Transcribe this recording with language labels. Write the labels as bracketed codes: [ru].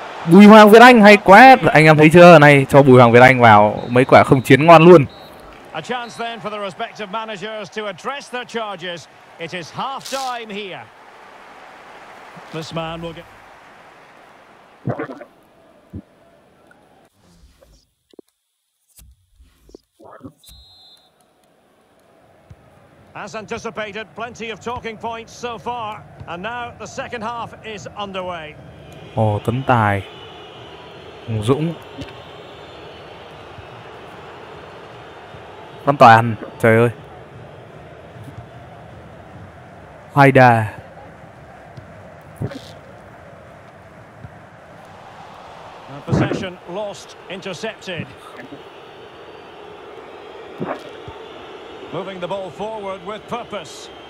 [vi] Bùi Hoàng Việt Anh hay quá. Anh em thấy chưa? Này cho Bùi Hoàng Việt Anh vào mấy quả không chiến ngon luôn. [en] A chance then for the respective managers to address their charges. It is half time here. This man will get. As anticipated, plenty of talking points so far, and now the second half is underway. [vi] Oh, Tấn Tài, Hùng Dũng, Văn Toàn, trời ơi, Hoài Đà. [en] Possession lost, intercepted. Moving the ball forward with purpose.